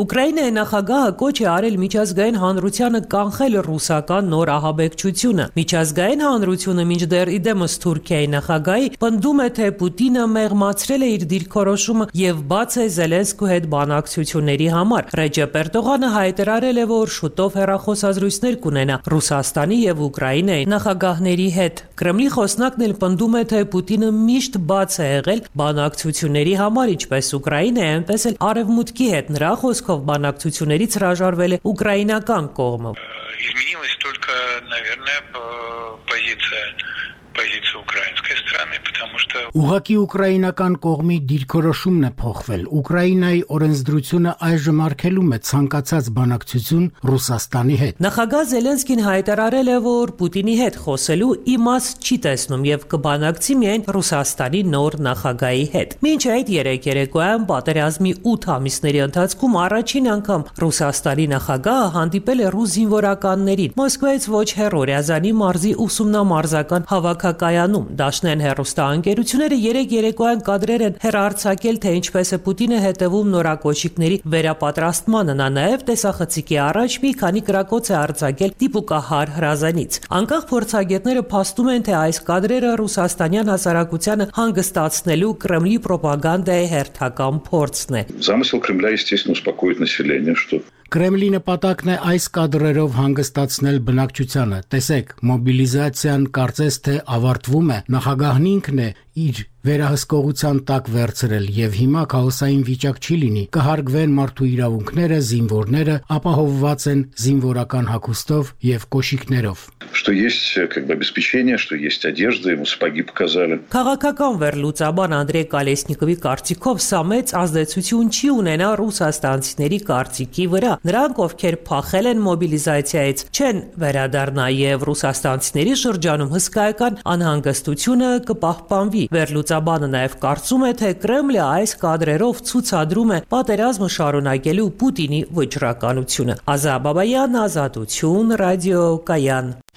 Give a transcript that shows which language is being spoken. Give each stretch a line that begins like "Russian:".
Armenian: Ուկրաինայի նախագահը կոչ է արել միջազգային հանրությանը կանխել ռուսական նոր ահաբեկչությունը։ Միջազգային հանրությունը մինչդեռ իդեմս Թուրքիայի նախագահի պնդում է, թե Պուտինը մեղմացրել է իր դիրքորոշումը եւ բաց է Զելենսկու հետ բանակցությունների համար։ Ռեջեպ Էրդողանը հայտարարել է, որ շուտով հեռախոսազրույց ռուսներ կունենա Ռուսաստանի եւ Ուկրաինայի նախագահների հետ։ Կրեմլի խոսնակն էլ պնդում է, թե Պուտինը միշտ բաց է եղել բանակցությունների համար, ինչպես Ուկրաինայի, այնպես էլ Արևմուտքի հետ։ Նրա խոսքով բանակցություններից հրաժարվել է ուկրաինական կողմը։
Russian: Изменилась только, наверное, позиция позицию украинской стороны, потому что...
Armenian: Ուղակի ուկրաինական կողմի դիրքորոշումն է փոխվել։ Ուկրաինայի օրենսդրությունը այժմ արգելում է ցանկացած բանակցություն Ռուսաստանի հետ։ Նախագահ Զելենսկին հայտարարել է, որ Պուտինի հետ խոսելու իմաստ չի տեսնում և կբանակցի միայն Ռուսաստանի նոր նախագահի հետ։ Մինչ այդ երեկոյան պատերազմի 8 ամիսների ընթացքում առաջին անգամ Ռուսաստանի նախագահը հանդիպել է ռուս զինվորականներին Մոսկվայից ոչ հեռու Ռյազանի մարզի ուսումնամարզական հավաքակայանում։ Դաշնային հեռուստաընկերությունները 3 երեկոյան կադրեր են հեռարձակել, թե ինչպես է Պուտինը հետևում նորակոչիկների վերապատրաստմանը։ Նա նաև տեսախցիկի առաջ մի քանի կրակոց է արձակել դիպուկահար Ռազանից։ Անկախ փորձագետները փաստում են, թե այս կադրերը ռուսաստանյան հասարակությանը հանգստացնելու Կրեմլի պրոպագանդայի հերթական փորձն է։
Russian: Замысел Кремля, естественно, успокоить население, что
Armenian: Կրեմլի նպատակն է այս կադրերով հանգստացնել բնակչությանը։ Տեսեք, մոբիլիզացիան կարծես թե ավարտվում է, նախագահն ինքն է իր վերահսկողության տակ վերցրել և հիմա քաոսային վիճակ չի լինի, կհարգվեն մարդու իրավունքները, զինվորները ապահովված են զինվորական հագուստով և կոշիկներով։
Russian: Что есть как бы обеспечение, что есть одежда, ему сапоги показали.
Armenian: Քաղաքական վերլուծաբան Անդրեյ Կալեսնիկովի կարծիքով սա մեծ ազդեցություն չի ունենա ռուսաստանցիների կարծիքի վրա։ Նրանք, ովքեր փախել են մոբիլիզացիայից, չեն վերադառնա և ռուսաստանցիների շրջանում հսկայական անհանգստությունը կպահպանվի։ Վերլուծաբանը նաև կարծում է, թե Կրեմլը այս կադրերով ցուցադրում է պատերազմը շարունակելու Պուտինի վճռականությունը։ Ազա Բաբայան, Ազատություն, Ռադիո Կայան։